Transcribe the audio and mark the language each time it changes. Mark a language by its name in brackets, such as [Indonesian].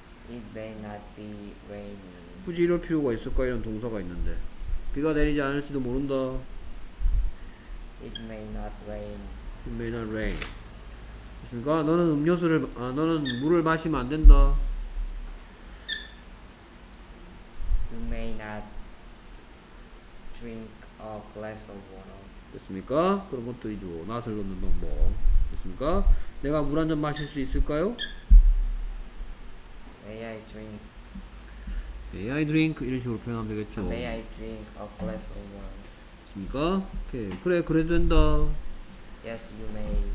[English] It may not be raining. [Korean] 굳이 이럴 필요가 있을까? 이런 동사가 있는데. 비가 내리지 않을지도 모른다. [English] It may not rain. It may not rain. [Korean] 그러니까 너는 음료수를 아 너는 물을 마시면 안 된다. [English] You may not drink a glass of water. [Korean] 됐습니까? 그런 것도 이죠. not을 넣는 방법. 됐습니까? 내가 물 한 잔 마실 수 있을까요? [English] May I drink? May I drink? [Korean] 이런 식으로 표현하면 되겠죠. [English] May I drink a glass of water? [Korean] 됐습니까? 오케이. 그래, 그래도 된다. [English] Yes, you may.